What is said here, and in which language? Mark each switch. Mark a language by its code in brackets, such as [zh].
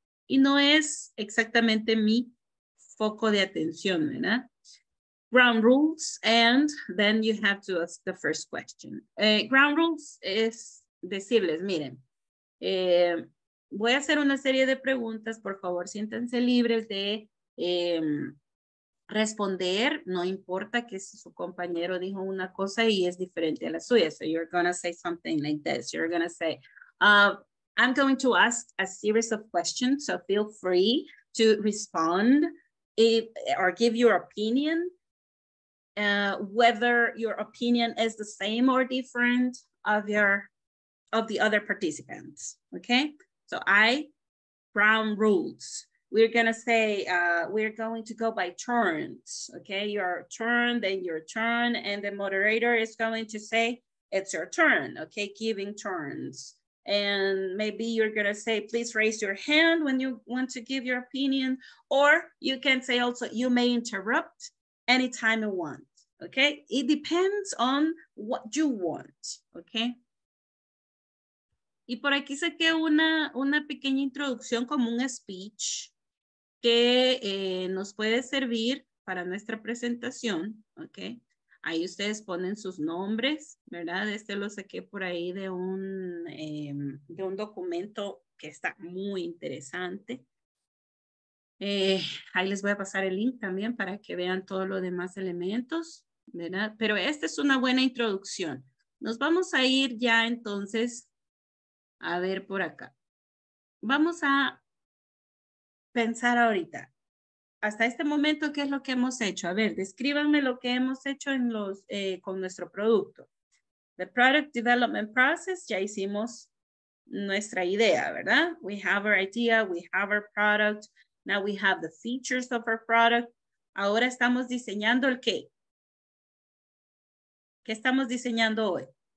[es] Y no es exactamente mi foco de atención, ¿verdad? [en] Ground rules, and then you have to ask the first question. Ground rules [es] es decirles, miren, voy a hacer una serie de preguntas. Por favor, siéntense libres de responder. No importa que si su compañero dijo una cosa y es diferente a la suya. [en] So you're going to say something like this. You're going to say, I'm going to ask a series of questions. So feel free to respond or give your opinion. Whether your opinion is the same or different of the other participants, okay? So I, Brown rules. We're gonna say, we're going to go by turns, okay? Your turn, then your turn, and the moderator is going to say, it's your turn, okay? Giving turns. And maybe you're gonna say, please raise your hand when you want to give your opinion, or you can say also, you may interrupt anytime you want. Okay, it depends on what you want, okay? [es] Y por aquí saqué una pequeña introducción como un speech que nos puede servir para nuestra presentación, okay? Ahí ustedes ponen sus nombres, ¿verdad? Este lo saqué por ahí de un documento que está muy interesante. Ahí les voy a pasar el link también para que vean todos los demás elementos. ¿Verdad? Pero esta es una buena introducción. Nos vamos a ir ya entonces a ver por acá. Vamos a pensar ahorita. Hasta este momento, ¿qué es lo que hemos hecho? A ver, descríbanme lo que hemos hecho en los, con nuestro producto. [en] The product development process, [es] ya hicimos nuestra idea, ¿verdad? [en] We have our idea, we have our product. Now we have the features of our product. [es] Ahora estamos diseñando el qué. ¿Qué estamos diseñando hoy?